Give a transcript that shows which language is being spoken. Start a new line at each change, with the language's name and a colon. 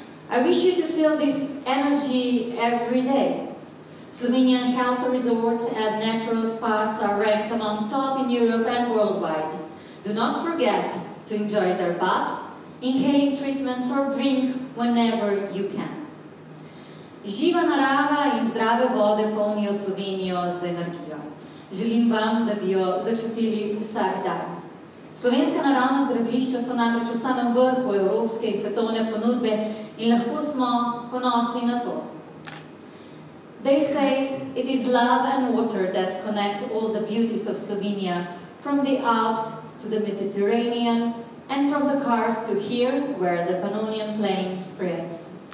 English: I wish you to feel this energy every day. Slovenian health resorts and natural spas are ranked among top in Europe and worldwide. Do not forget to enjoy their baths, inhaling treatments or drink whenever you can.
Slovenian: Živa narava in zdrave vode polnijo Slovenijo z energijo. Želim vam, da bi jo začutili vsak dan. Slovenska naravna zdravilišča so namreč v samem vrhu evropske in svetovne ponudbe in lahko smo ponosni na to.
English: They say it is love and water that connect all the beauties of Slovenia, from the Alps to the Mediterranean and from the Karst to here where the Pannonian plain spreads.